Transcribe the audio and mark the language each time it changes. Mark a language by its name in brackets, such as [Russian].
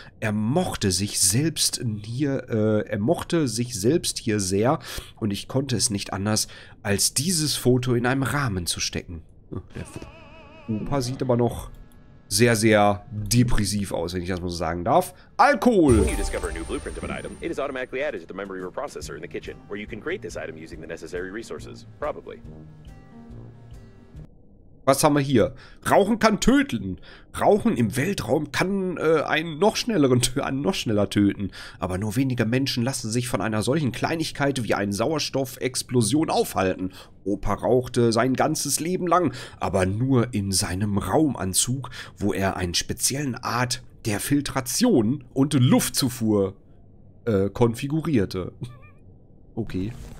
[German] Er mochte sich selbst hier sehr und ich konnte es nicht anders, als dieses Foto in einem Rahmen zu stecken. Der Opa sieht aber noch sehr, sehr depressiv aus, wenn ich das mal so sagen darf. Alkohol! [English] When you discover a new blueprint of an item, it is automatically added to the memory of a processor in the kitchen, where you can create this item using the necessary resources, probably. [German] Was haben wir hier? Rauchen kann töten. Rauchen im Weltraum kann einen noch schneller töten. Aber nur wenige Menschen lassen sich von einer solchen Kleinigkeit wie einer Sauerstoffexplosion aufhalten. Opa rauchte sein ganzes Leben lang, aber nur in seinem Raumanzug, wo er einen speziellen Art der Filtration und Luftzufuhr konfigurierte. Okay.